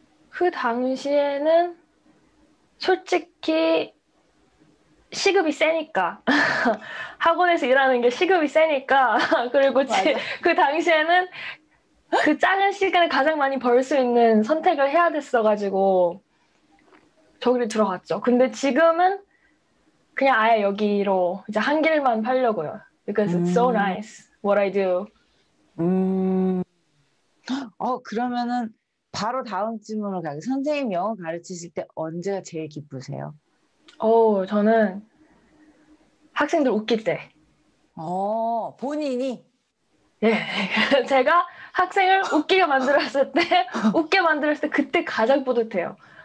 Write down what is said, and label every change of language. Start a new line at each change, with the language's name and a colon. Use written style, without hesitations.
Korean: 그 당시에는 솔직히 시급이 세니까 학원에서 일하는 게 시급이 세니까 그리고 당시에는? 맞아. 그 당시에는 그 작은 시간을 가장 많이 벌수 있는 선택을 해야 됐어 가지고 저기를 들어갔죠. 근데 지금은 그냥 아예 여기로 이제 한 길만 팔려고요.
English: Because it's so nice what I do.
Korean: 그러면은 바로 다음 질문으로 가요. 선생님 영어 가르치실 때 언제가 제일 기쁘세요? 오, 저는 학생들 웃길 때. 본인이? 예, 제가 학생을 웃기게 만들었을 때, 웃게 만들었을 때 그때 가장 뿌듯해요.